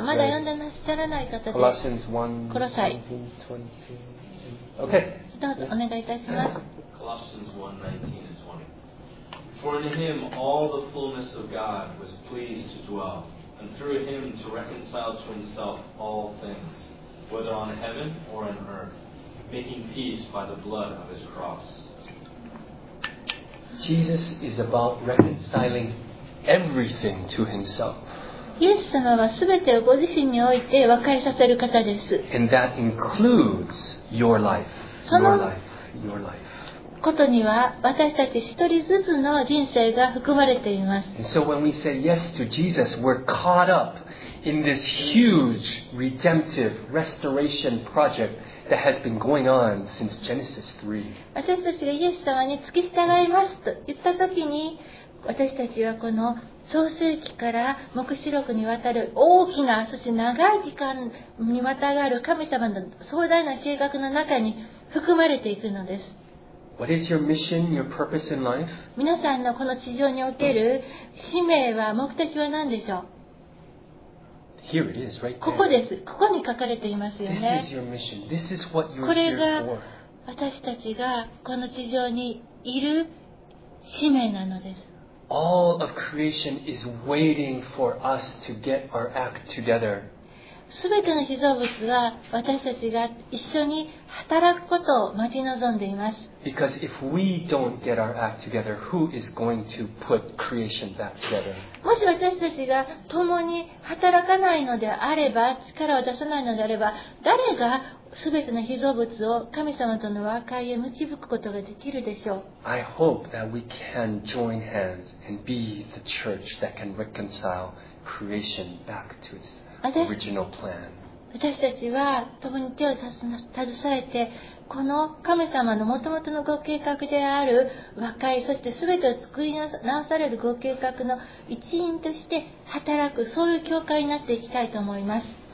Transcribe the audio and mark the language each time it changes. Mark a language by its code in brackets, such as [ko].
[ja] まだ読んでなさらない方で、 [en] Colossians 1, 19, 20. Okay. [ja] どうぞお願いいたします。 [en] Colossians 1, 19 and 20. For in him all the fullness of God was pleased to dwell, and through him to reconcile to himself all things, whether on heaven or on earth, making peace by the blood of his cross. Jesus is about reconciling everything to himself. [ja] イエス様はすべてをご自身において和解させる方です。 [en] And that includes your life. Your life. [ja] ことには私たち一人ずつの人生が含まれています。 [en] And so when we say yes to Jesus, we're caught up in this huge redemptive restoration project. That has been going on since Genesis 3. [ja] 私たちがイエス様に付き従いますと言ったときに、私たちはこの創世記から黙示録にわたる大きな、そして長い時間にわたる神様の壮大な計画の中に含まれていくのです。 [en] What is your mission, your purpose in life? [ja] 皆さんのこの地上における使命は目的は何でしょう？ [en] Here it is, right、 [ja] ここです。ここに書かれていますよね。 [en] This is your mission. This is what you're [ja] これが私たちがこの地上にいる使命なのです。 [en] All of creation is waiting for us to get our act together. [ja] 全ての被造物は私たちが一緒に働くことを待ち望んでいます。 [en] Because if we don't get our act together, who is going to put creation back together? [ja] もし私たちが共に働かないのであれば、力を出さないのであれば、誰が全ての被造物を神様との和解へ導くことができるでしょう。 [en] I hope that we can join hands and be the church that can reconcile creation back to its original plan. [ja] 私たちは共に手を携えて、この神様のもともとのご計画である和解、そして全てを作り直されるご計画の一員として働く、そういう教会になっていきたいと思います。